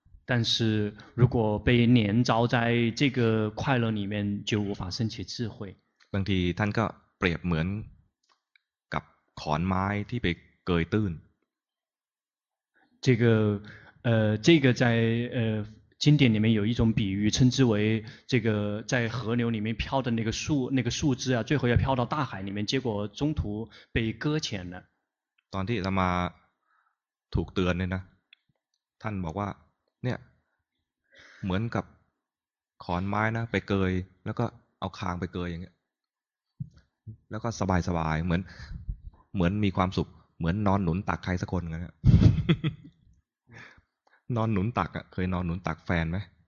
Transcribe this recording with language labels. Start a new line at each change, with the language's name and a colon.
Chinese: 但是如果被黏着在这个快乐里面就无法升起智慧
Thai: บางทีท่านก็เปรียบเหมือนกับขอนไม้ที่ไปเกยตื้น
Chinese: 这个在经典里面有一种比喻称之为这个在河流里面飘的那个树枝啊最后要飘到大海里面结果中途被搁浅了
Thai: ตอนที่เรามาถูกเตือนเนี่ยนะท่านบอกว่าเนี่ยเหมือนกับขอนไม้นะไปเกยแล้วก็เอาคางไปเกยอย่างเงี้ยแล้วก็สบายสบายเหมือนมีความสุขเหมือนนอนหนุนตักใครสักคนเงี้ยนอนหนุนตักอ่ะเคยนอนหนุนตักแฟนไหม